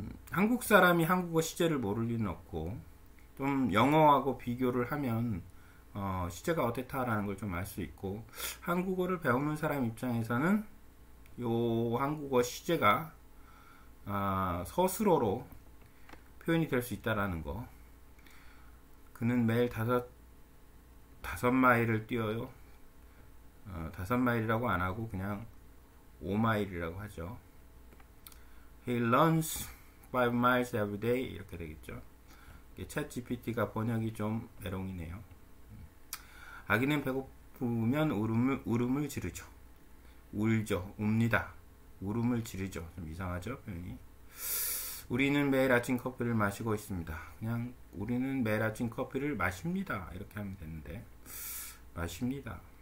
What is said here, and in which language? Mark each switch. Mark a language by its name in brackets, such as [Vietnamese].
[Korean] 한국 사람이 한국어 시제를 모를 리는 없고 좀 영어하고 비교를 하면 시제가 어땠다라는 걸좀알수 있고 한국어를 배우는 사람 입장에서는 요 한국어 시제가 서술어로 표현이 될수 있다라는 거. 그는 매일 다섯 마일을 뛰어요. 다섯 마일이라고 안 하고 그냥 5마일이라고 하죠. [English] He runs 5 miles every day [Korean] 이렇게 되겠죠. 이게 ChatGPT가 번역이 좀 메롱이네요. 아기는 배고프면 울음을 지르죠. 울죠. 웁니다. 울음을 지르죠. 좀 이상하죠, 표현이. 우리는 매일 아침 커피를 마시고 있습니다. 그냥 우리는 매일 아침 커피를 마십니다. 이렇게 하면 되는데. 마십니다.